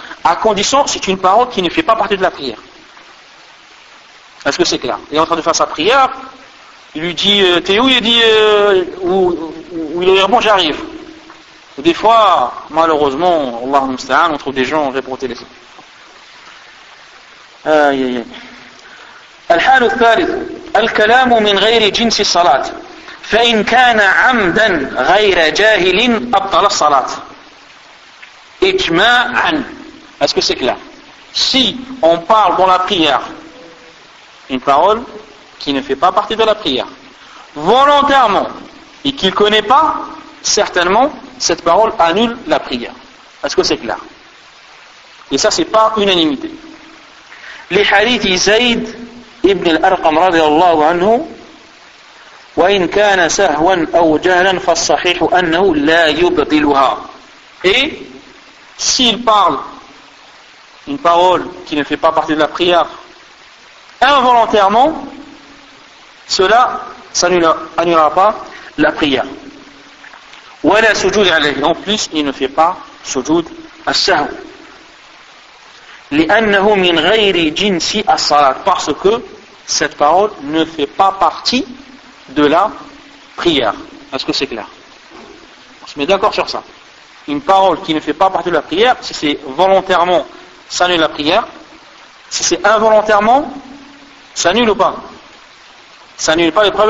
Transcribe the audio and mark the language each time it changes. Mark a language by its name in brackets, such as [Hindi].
[French] À condition, c'est une parole qui ne fait pas partie de la prière. Est-ce que c'est clair? Il est en train de faire sa prière, il lui dit, t'es où? Il dit, où il est, bon, j'arrive. Des fois, malheureusement, [Arabic] Allah musta'an, [French] on trouve des gens, on répond au téléphone. Aïe, aïe, aïe. [Arabic] Al-halu thalith. الكلام من غير جنس الصلاة فإن كان عمدا غير جاهل أبطل الصلاة إجماعا. [French] Est-ce que c'est clair? Si on parle dans la prière une parole qui ne fait pas partie de la prière volontairement et qu'il ne connaît pas, certainement cette parole annule la prière. Est-ce que c'est clair? Et ça, c'est par unanimité. Les hadiths [Arabic] Zayd ابن الأرقم رضي الله عنه وإن كان سهوا أو جهلا فالصحيح أنه لا يبطلها. [French] Et s'il parle une parole qui ne fait pas partie de la prière involontairement, cela annulera pas la prière. [Arabic] ولا سجود عليه. [French] En plus, il ne fait pas سجود السهو [Arabic] لأنه من غير جنس الصلاة. [French] Parce que cette parole ne fait pas partie de la prière. Est-ce que c'est clair? On se met d'accord sur ça. Une parole qui ne fait pas partie de la prière, si c'est volontairement, ça annule la prière. Si c'est involontairement, ça annule ou pas? Ça annule pas les preuves.